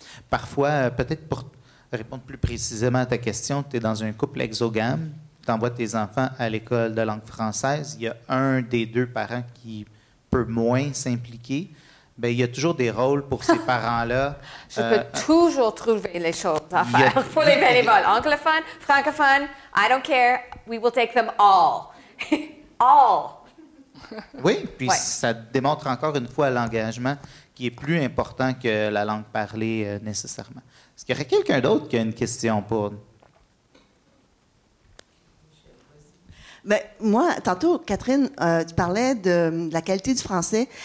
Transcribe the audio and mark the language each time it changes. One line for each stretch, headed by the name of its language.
French: Parfois, peut-être pour répondre plus précisément à ta question, tu es dans un couple exogame, tu envoies tes enfants à l'école de langue française, il y a un des deux parents qui peut moins s'impliquer. Bien, il y a toujours des rôles pour ces parents-là. Je peux toujours trouver les choses à faire pour les bénévoles.
English: Anglophone, francophone, I don't care, we will take them all. All.
French: Oui, puis ça démontre encore une fois l'engagement qui est plus important que la langue parlée nécessairement. Est-ce qu'il y aurait quelqu'un d'autre qui a une question pour nous? Ben, moi, tantôt, Catherine, tu parlais de la qualité du français.